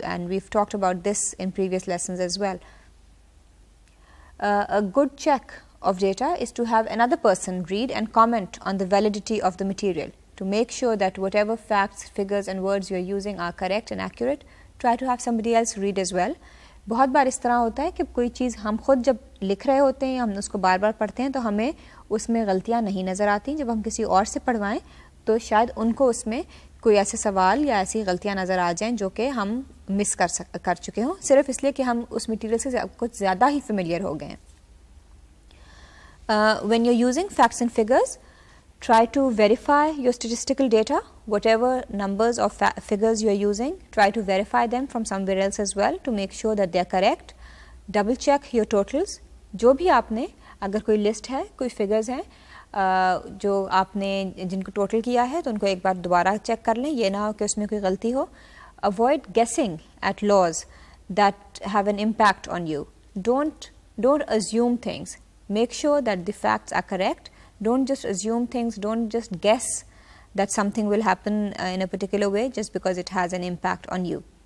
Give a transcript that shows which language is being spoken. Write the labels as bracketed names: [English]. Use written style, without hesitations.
[English] And we've talked about this in previous lessons as well. A good check of data is to have another person read and comment on the validity of the material. To make sure that whatever facts, figures, and words you're using are correct and accurate, try to have somebody else read as well. [Hindi] बहुत बार इस तरह होता है कि कोई चीज़ हम खुद जब लिख रहे होते हैं, हम उसको बार बार पढ़ते हैं, तो हमें उसमें गलतियाँ नहीं नज़र आती. जब हम किसी और से पढ़वाएं, तो शायद उनको उसमें कोई ऐसे सवाल या ऐसी गलतियाँ नज़र आ जाएं जो कि हम मिस कर चुके हों, सिर्फ इसलिए कि हम उस मटीरियल से कुछ ज़्यादा ही फेमिलियर हो गए हैं. [English] When you're using facts and figures, try to verify your statistical data. Whatever numbers or figures you're using, try to verify them from somewhere else as well to make sure that they're correct. Double check your totals. [Hindi] जो भी आपने, अगर कोई list है, कोई figures हैं जो आपने जिनको टोटल किया है, तो उनको एक बार दोबारा चेक कर लें. ये ना हो कि उसमें कोई गलती हो. [English] Avoid guessing at laws that have an impact on you. Don't assume things. Make sure that the facts are correct, don't just assume things, don't just guess that something will happen in a particular way just because it has an impact on you.